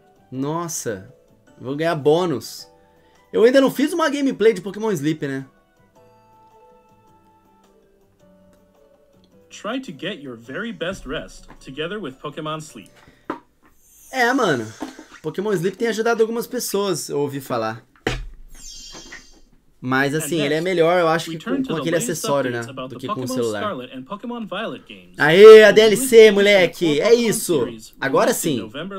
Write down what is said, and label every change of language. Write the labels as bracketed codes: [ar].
[pt] Nossa! Vou ganhar bônus. Eu ainda não fiz uma gameplay de Pokémon Sleep, né? [en] Try to get your very best rest together with Pokémon Sleep. [pt] É, mano. Pokémon Sleep tem ajudado algumas pessoas, eu ouvi falar. Mas assim, next, ele é melhor, eu acho, que com aquele acessório, né, do que com o celular. Aê, a DLC, moleque. É isso. Agora sim.